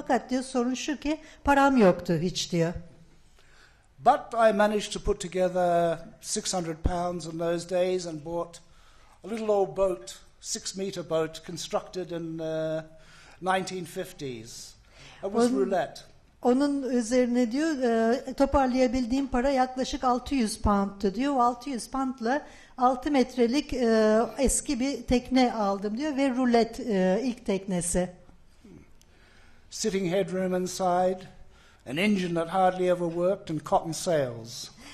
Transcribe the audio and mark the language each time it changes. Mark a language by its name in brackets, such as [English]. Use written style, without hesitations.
[Turkish] Fakat diyor sorun şu ki param yoktu hiç diyor. [English] But I managed to put together £600 in those days and bought a little old boat, 6-meter boat constructed in the 1950s. It was roulette. [Turkish] Onun üzerine diyor toparlayabildiğim para yaklaşık £600'tu diyor. 600 pound'la 6 metrelik eski bir tekne aldım diyor ve rulet ilk teknesi. [English] Sitting headroom inside, an engine that hardly ever worked and cotton sails.